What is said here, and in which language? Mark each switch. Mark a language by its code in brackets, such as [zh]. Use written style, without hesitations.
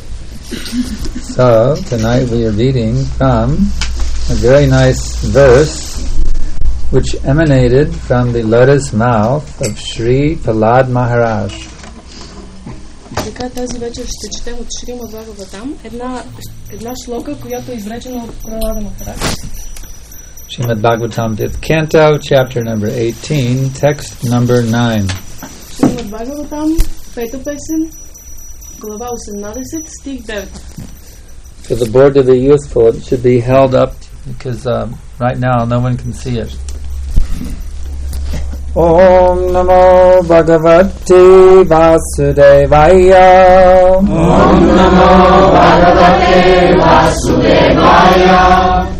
[en] So, tonight we are reading from a very nice verse which emanated from the lotus mouth of Sri Prahlad Maharaj. [bg] Така тази вечер ще четем от Шрима Бхагаватам една шлока, която е изречена от Прахлада Махарадж. [en] Шримад Бхагаватам, 5th canto, chapter number 18, text number 9. [bg] Шримад Бхагаватам, 5th песен, глава 18, стих 9. [en] For the board of the youthful, it should be held up because right now no one can see it. [sa] Om Namo Bhagavate Vasudevaya. Om Namo Bhagavate Vasudevaya.